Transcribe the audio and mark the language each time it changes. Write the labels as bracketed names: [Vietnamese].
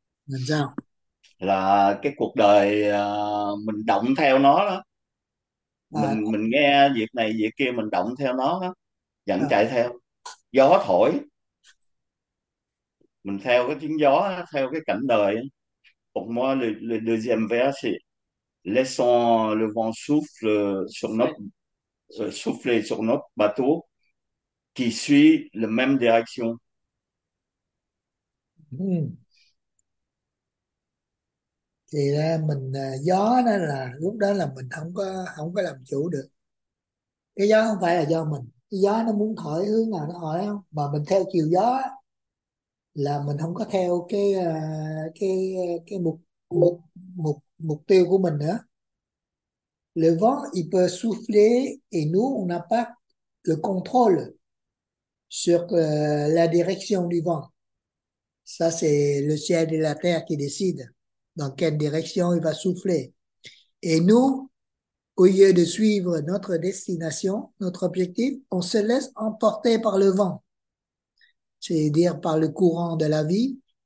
[Vietnamese] Làm sao? là cái cuộc đời mình động theo nó đó, mình nghe việc này việc kia mình động theo nó đó, vẫn chạy theo gió thổi, mình theo cái tiếng gió, theo cái cảnh đời. [French] Pour moi, le deuxième vers, c'est laissons le vent souffler sur notre bateau qui suit la même direction. [Vietnamese] Thì ra mình gió đó là lúc đó là mình không có làm chủ được. Cái gió không phải là do mình, cái gió nó muốn thổi hướng nào nó thổi, không mà mình theo chiều gió là mình không có theo cái mục mục mục mục tiêu của mình nữa. [French] Le vent il peut souffler et nous on n'a pas le contrôle sur la direction du vent. Ça, c'est le ciel et la terre qui décident dans quelle direction il va souffler. Et nous, au lieu de suivre notre destination, notre objectif, on se laisse emporter par le vent, c'est-à-dire par le courant de la vie.